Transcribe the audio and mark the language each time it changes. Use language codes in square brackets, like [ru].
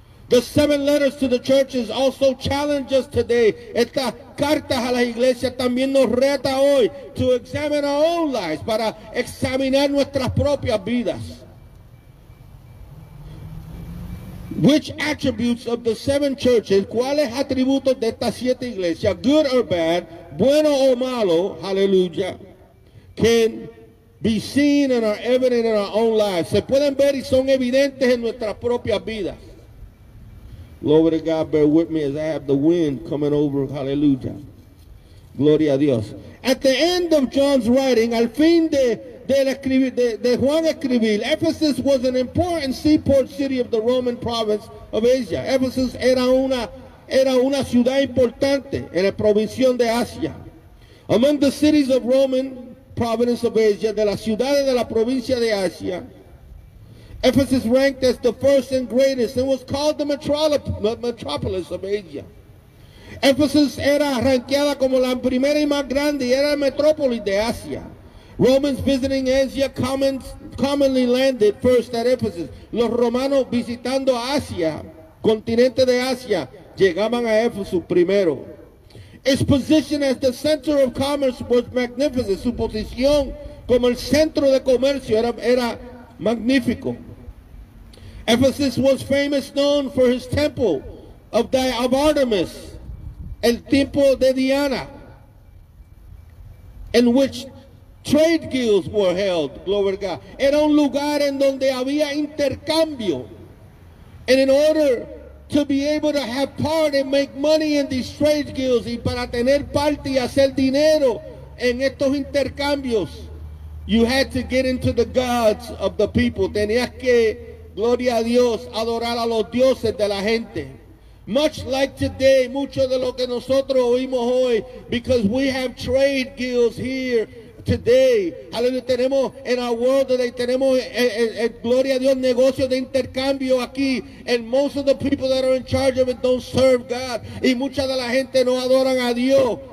[en] The seven letters to the churches also challenge us today. [es] Estas cartas a la iglesia también nos reta hoy [en] to examine our own lives, [es] para examinar nuestras propias vidas. [en] Which attributes of the seven churches, [es] cuáles atributos de estas siete iglesias, [en] good or bad, [es] bueno o malo, [en] hallelujah, can be seen and are evident in our own lives. [es] Se pueden ver y son evidentes en nuestras propias vidas. [en] Glory to God, bear with me as I have the wind coming over. Hallelujah. [es] Gloria a Dios. [en] At the end of John's writing, [es] al fin de Juan escribir, [en] Ephesus was an important seaport city of the Roman province of Asia. [es] Ephesus era una ciudad importante en la provincia de Asia. [en] Among the cities of Roman province of Asia, [es] de las ciudades de la provincia de Asia, [en] Ephesus ranked as the first and greatest and was called the metropolis of Asia. [es] Ephesus era rankeada como la primera y más grande, y era la metrópolis de Asia. [en] Romans visiting Asia commonly landed first at Ephesus. [es] Los romanos visitando Asia, continente de Asia, llegaban a Ephesus primero. [en] Its position as the center of commerce was magnificent. [es] Su posición como el centro de comercio era magnífico. [en] Ephesus was famous, known for his temple of Artemis, [es] el templo de Diana, [en] in which trade guilds were held, glory to God. [es] Era un lugar en donde había intercambio. [en] And in order to be able to have part and make money in these trade guilds, [es] y para tener parte y hacer dinero en estos intercambios, [en] You had to get into the gods of the people. [es] Tenías que, gloria a Dios, adorar a los dioses de la gente. [en] Much like today, [es] mucho de lo que nosotros oímos hoy, [en] because we have trade guilds here today. [es] Hallelujah, tenemos en [en] our world today, [es] tenemos, gloria a Dios, negocios de intercambio aquí. [en] And most of the people that are in charge of it don't serve God. [es] Y mucha de la gente no adoran a Dios.